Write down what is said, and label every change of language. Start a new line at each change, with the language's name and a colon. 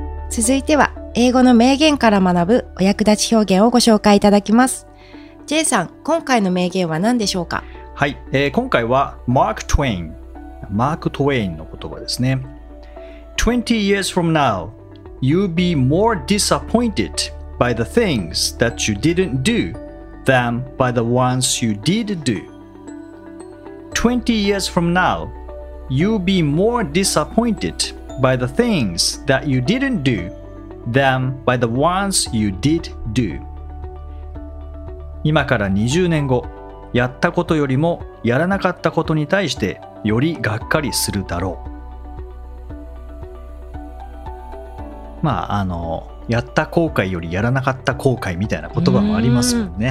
Japanese: 続いては英語の名言から学ぶお役立ち表現をご紹介いただきます。 Jさん、今回の名言は何でしょうか？はい、今回はマーク・トウェイン、マーク・トウェインの言葉ですね。
English: 20 years from now, you'll be more disappointed by the things that you didn't doThan by the ones you did do. 20 years from now, you'll be more disappointed by the things that you didn't do than by the ones you did do.
Japanese: 今から20年後、やったことよりもやらなかったことに対してよりがっかりするだろう。まあ、やった後悔よりやらなかった後悔みたいな言葉もありますよね。